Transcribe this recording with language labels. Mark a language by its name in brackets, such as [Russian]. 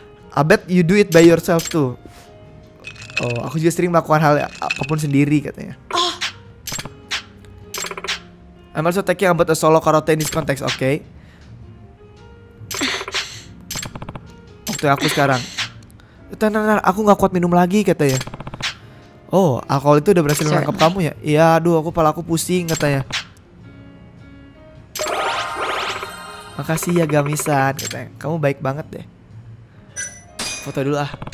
[English] I bet you do it by yourself too. [Indonesian] Oh, aku juga sering melakukan hal apapun sendiri katanya. [English] I'm also talking about a solo karaoke in this context, okay? [Indonesian] Waktu aku sekarang. Tenang, aku gak kuat minum lagi katanya. Oh, alkohol itu udah berhasil menangkap kamu ya? Iya, aduh aku pala aku pusing katanya. Makasih ya Gamisan katanya. Kamu baik banget deh. Foto dulu ah.